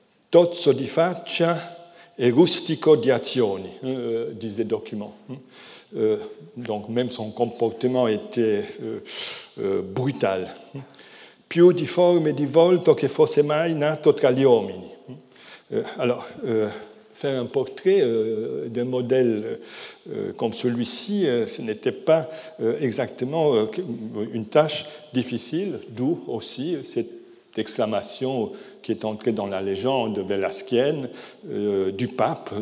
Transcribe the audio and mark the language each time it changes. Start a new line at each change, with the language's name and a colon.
Italian: Tozzo di faccia e rustico di azioni,
French: disait le document. Donc même son comportement était brutal.
Italian: Più di forme di volto che fosse mai nato tra gli uomini.
French: Alors, faire un portrait d'un modèle comme celui-ci, ce n'était pas exactement une tâche difficile, d'où aussi cette exclamation qui est entrée dans la légende velasquienne du pape.